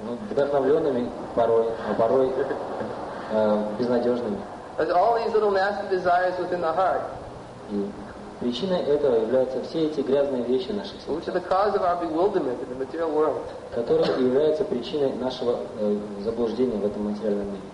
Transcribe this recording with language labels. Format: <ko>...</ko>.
<ru>Вдохновленными порой, а порой безнадежными.</ru> <en>As all these little nasty desires within the heart.</en> <ru>И причиной этого являются все эти грязные вещи наших сердец.</ru> <en>Which are the cause of our bewilderment in the material world.</en> <ru>Которые являются причиной нашего заблуждения в этом материальном мире.</ru>